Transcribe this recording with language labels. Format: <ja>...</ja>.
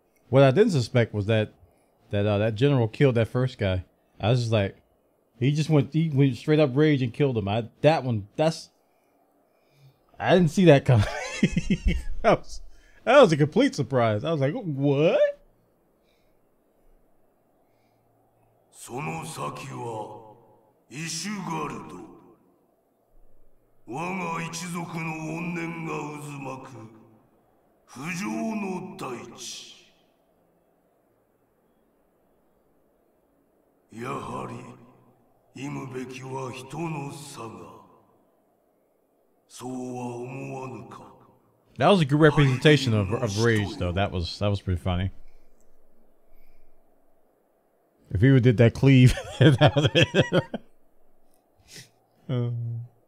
<en>What I didn't suspect was that general killed that first guy. I was just like, he went straight up rage and killed him. That one, that's, I didn't see that coming. That was a complete surprise. I was like, what?</en> <ja>その先は イシュガルド。我が一族の怨念が渦巻く不浄の大地。やはり忌むべきは人の差が。そうは思わぬか。</ja> <en>That was a good representation of rage, though. That was pretty funny. If he did that cleave, that</en>